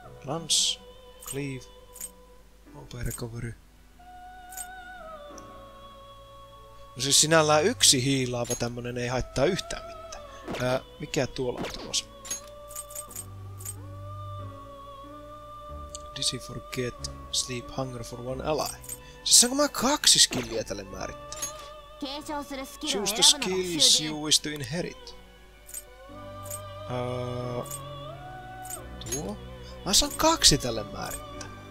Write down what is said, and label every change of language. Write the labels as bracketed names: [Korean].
[English] Lance, Cleave, OP Recovery. [Finnish] No siis sinällään yksi hiilaava tämmönen ei haittaa yhtään mitään. Mikä tuolla on tulossa? Dizzy Forget, Sleep, Hunger for One Ally. Siis saanko mä kaksi skilliä tälle määrittää? [English] Choose the skills you wish to inherit. [Finnish] Tuo? Mä saan kaksi tälle määrittää.